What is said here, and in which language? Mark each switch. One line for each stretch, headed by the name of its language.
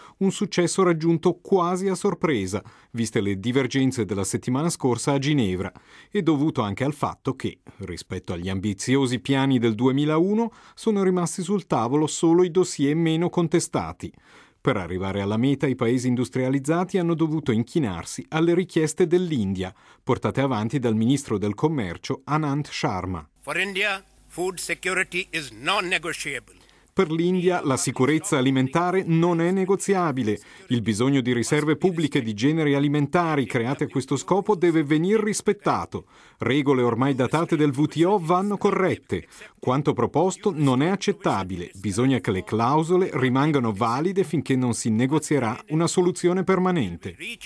Italian: un successo raggiunto quasi a sorpresa, viste le divergenze della settimana scorsa a Ginevra, e dovuto anche al fatto che, rispetto agli ambiziosi piani del 2001, sono rimasti sul tavolo solo i dossier meno contestati. Per arrivare alla meta, i paesi industrializzati hanno dovuto inchinarsi alle richieste dell'India, portate avanti dal ministro del commercio Anand Sharma.
English: For India, food security is non-negotiable.
Italian: Per l'India la sicurezza alimentare non è negoziabile. Il bisogno di riserve pubbliche di generi alimentari create a questo scopo deve venir rispettato. Regole ormai datate del WTO vanno corrette. Quanto proposto non è accettabile. Bisogna che le clausole rimangano valide finché non si negozierà una soluzione permanente.